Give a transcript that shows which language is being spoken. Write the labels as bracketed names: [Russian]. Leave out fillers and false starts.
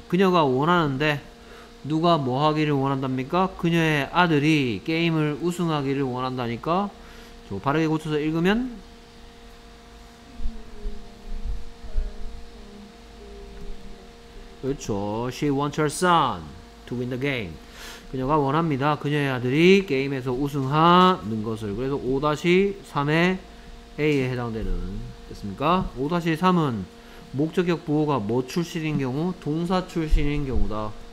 [Korean] 그녀가 원하는데 누가 뭐 하기를 원한답니까? 그녀의 아들이 게임을 우승하기를 원한다니까. 저 바르게 고쳐서 읽으면 그렇죠. [English] She wants her son to win the game. [Korean] 그녀가 원합니다. 그녀의 아들이 게임에서 우승하는 것을. 그래서 5-3의 A에 해당되는 됐습니까? 5-3은 목적격 보호가 뭐 출신인 경우? 동사 출신인 경우다.